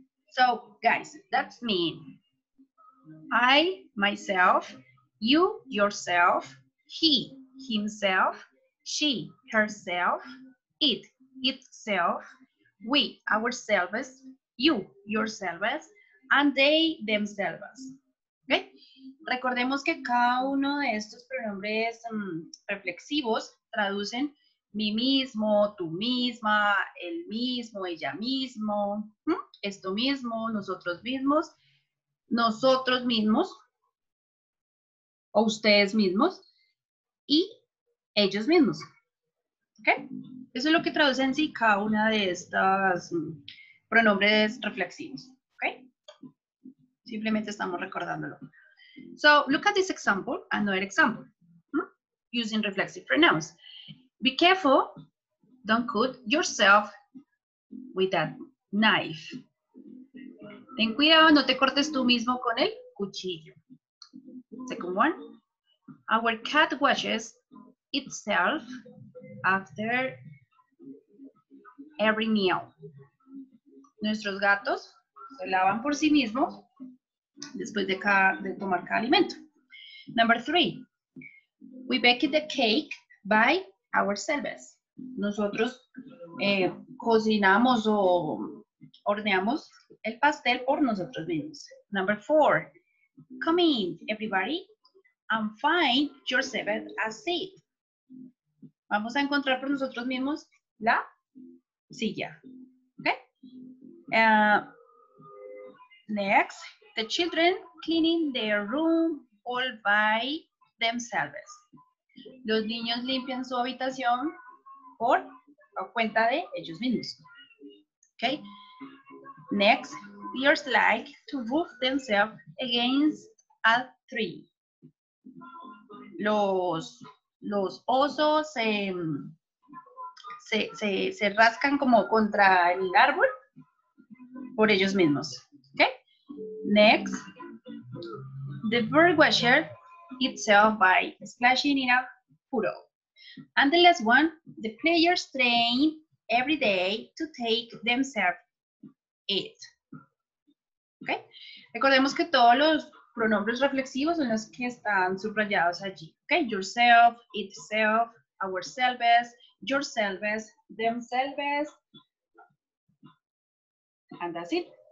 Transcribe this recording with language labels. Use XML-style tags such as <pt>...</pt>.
<en>So, guys, that's me. I, myself, you, yourself, he, himself, she, herself, it, itself, we, ourselves, you, yourselves, and they, themselves. ¿Okay?</en> <es>Recordemos que cada uno de estos pronombres reflexivos traducen mí mismo, tú misma, el mismo, ella mismo, esto mismo, nosotros mismos. Nosotros mismos, o ustedes mismos, y ellos mismos. ¿Okay? Eso es lo que traduce en sí cada una de estas pronombres reflexivos.</es> <en>¿Okay?</en> <es>Simplemente estamos recordándolo.</es> <en>So, look at this example, another example, using reflexive pronouns. Be careful, don't cut yourself with that knife.</en> <es>Ten cuidado, no te cortes tú mismo con el cuchillo.</es> <en>Second one. Our cat washes itself after every meal.</en> <es>Nuestros gatos se lavan por sí mismos después de tomar cada alimento.</es> <en>Number three. We bake the cake by ourselves.</en> <es>Nosotros cocinamos o horneamos el pastel por nosotros mismos.</es> <en>Number four. Come in, everybody, and find yourself a seat.</en> <es>Vamos a encontrar por nosotros mismos la silla. Okay?</es> <en>Next. The children cleaning their room all by themselves.</en> <es>Los niños limpian su habitación por cuenta de ellos mismos. Okay?</es> <en>Next, bears like to roof themselves against a tree.</en> <es>Los osos se rascan como contra el árbol por ellos mismos. Okay?</es> <en>Next, the bird washes itself by splashing in a puddle. And the last one, the players train every day to take themselves it. Okay.</en> <es>Recordemos que todos los pronombres reflexivos son los que están subrayados allí.</es> <en>Okay? Yourself, itself, ourselves, yourselves, themselves. And that's it.</en>